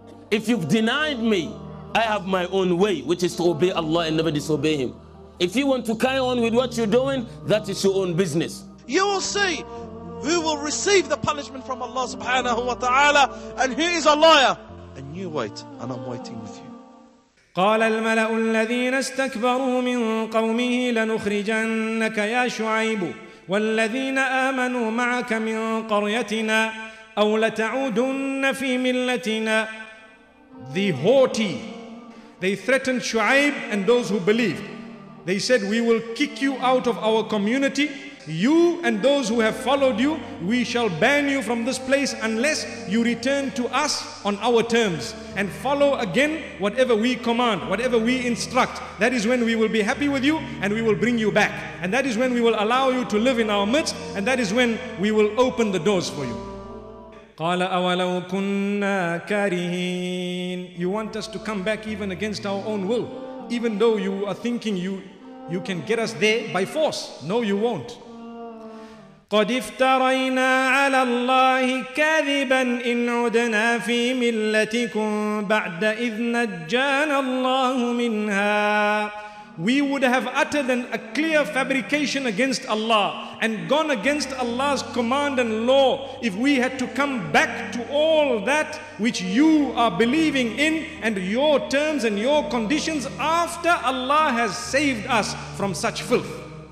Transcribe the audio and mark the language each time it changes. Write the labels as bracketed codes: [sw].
[en] If you've denied me, I have my own way, which is to obey Allah and never disobey him. If you want to carry on with what you're doing, that is your own business. You will see who will receive the punishment from Allah subhanahu wa ta'ala, and who is a liar. And you wait, and I'm waiting with you. [ar] قال الملأ الذين استكبروا من قومه لنخرجنك يا شعيب والذين آمنوا معك من قريتنا أو لتعودن في ملتنا. [en] The haughty, they threatened Shu'aib and those who believed. They said, "We will kick you out of our community. You and those who have followed you, we shall ban you from this place unless you return to us on our terms and follow again whatever we command, whatever we instruct. That is when we will be happy with you and we will bring you back. And that is when we will allow you to live in our midst, and that is when we will open the doors for you." [ar] قال أولو كنا كارهين. [en] You want us to come back even against our own will, even though you are thinking you can get us there by force. No, you won't. [ar] قد افترينا على الله كذبا إن عدنا في ملتكم بعد إذ نجانا الله منها. [en] We would have uttered a clear fabrication against Allah and gone against Allah's command and law if we had to come back to all that which you are believing in and your terms and your conditions after Allah has saved us from such filth.